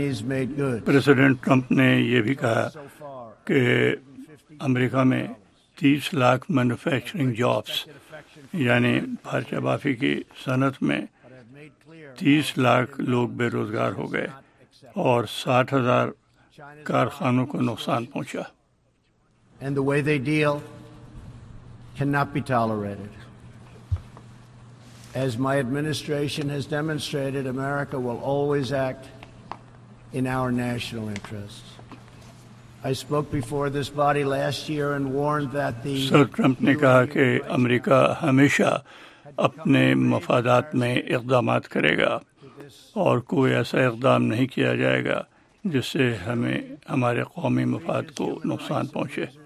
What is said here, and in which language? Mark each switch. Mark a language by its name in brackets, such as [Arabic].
[Urdu] President Trump نے یہ بھی کہا کہ امریکہ میں 30 لاکھ مینوفیکچرنگ جابس, یعنی پارچہ بافی کی صنعت میں 30 لاکھ لوگ بے روزگار ہو گئے اور 60,000 کارخانوں کو نقصان پہنچا. [English] And the way they deal cannot be tolerated. As my administration has demonstrated, America will always act in our national interests. I spoke before this body last year and warned that the [Urdu] Sir Trump نے کہا کہ امریکہ ہمیشہ اپنے مفادات میں اقدامات کرے گا اور کوئی ایسا اقدام نہیں کیا جائے گا جس سے ہمیں ہمارے قومی مفاد کو نقصان پہنچے.